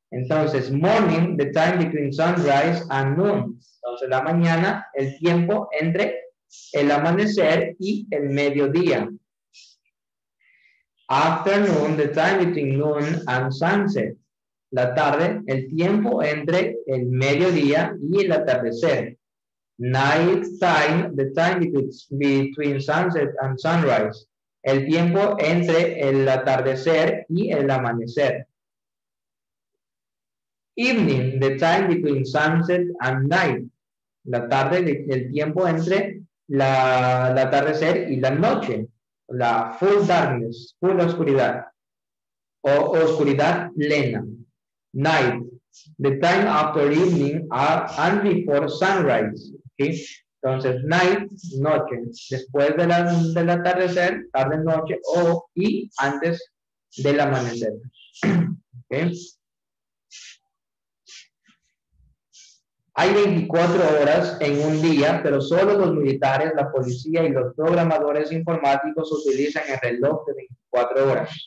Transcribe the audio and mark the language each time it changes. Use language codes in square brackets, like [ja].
[en] Entonces, morning, the time between sunrise and noon. [es] Entonces, la mañana, el tiempo entre el amanecer y el mediodía. [en] Afternoon, the time between noon and sunset. [es] La tarde, el tiempo entre el mediodía y el atardecer. [en] Night time, the time between sunset and sunrise. [es] El tiempo entre el atardecer y el amanecer. [en] Evening, the time between sunset and night. [es] La tarde, el tiempo entre el atardecer y la noche. La [en] full darkness, [es] full oscuridad. O oscuridad plena. [en] Night, the time after evening and before sunrise. [es] ¿Sí? Entonces, night, noche. Después de del atardecer, tarde, noche, y antes del amanecer. ¿Sí? Hay 24 horas en un día, pero solo los militares, la policía y los programadores informáticos utilizan el reloj de 24 horas.